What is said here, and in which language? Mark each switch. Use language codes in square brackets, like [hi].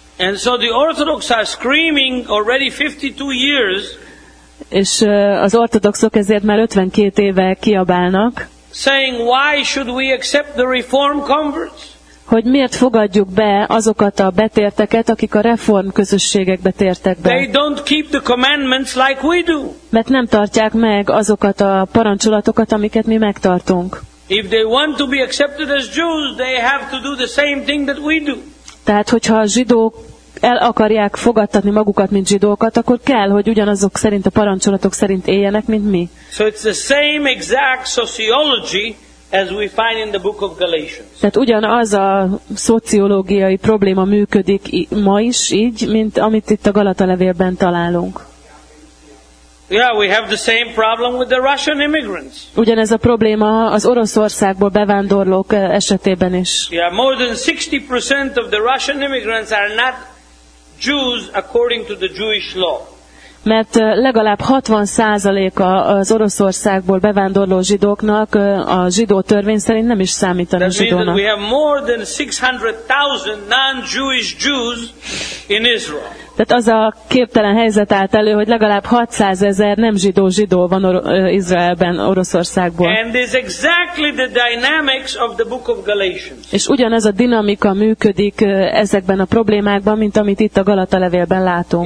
[en] And so the Orthodox are screaming already 52 years. [hu] És az ortodoxok ezért már 52 éve kiabálnak. [en] Saying why should we accept the reform converts? [hu] Hogy miért fogadjuk be azokat a betérteket, akik a reform közösségekbe tértek be. [en] They don't keep the commandments like we do. [hu] Mert nem tartják meg azokat a parancsolatokat, amiket mi megtartunk. [en] If they want to be accepted as Jews, they have to do the same thing that we do. [hu] Tehát, hogyha a zsidók el akarják fogadtatni magukat, mint zsidókat, akkor kell, hogy ugyanazok szerint, a parancsolatok szerint éljenek, mint mi. [en] So it's the same exact sociology as we find in the book of Galatians. [hu] Tehát ugyanaz a szociológiai probléma működik ma is így, mint amit itt a Galata levélben találunk. [en] Yeah, we have the same problem with the Russian immigrants. [hu] Ugyanez a probléma az Oroszországból bevándorlók esetében is. [en] Yeah, more than 60% of the Russian immigrants are not Jews according to the Jewish law. [hu] Mert legalább 60% az Oroszországból bevándorló zsidóknak a zsidó törvény szerint nem is számítanak zsidónak. [en] We have more than 600,000 non-Jewish Jews in Israel. [hu] Tehát az a képtelen helyzet állt elő, hogy legalább 600,000 nem zsidó zsidó van Izraelben, Oroszországból. [en] And is exactly the dynamics of the book of Galatians. [hu] És ugyanez a dinamika működik ezekben a problémákban, mint amit itt a Galata levélben látunk.